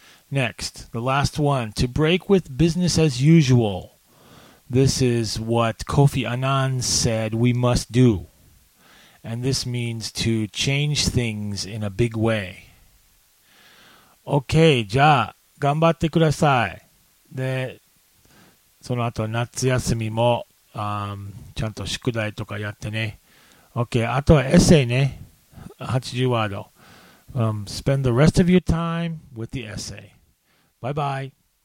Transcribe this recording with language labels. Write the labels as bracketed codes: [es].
[en] Next, the last one, to break with business as usual. This is what Kofi Annan said we must do. And this means to change things in a big way. [ja] Okay, じゃあ、頑張ってください。で、その後夏休みも、ちゃんと宿題とかやってね。 Okay, あとはエッセイね。 80ワード。 [en] Spend the rest of your time with the essay. Bye-bye.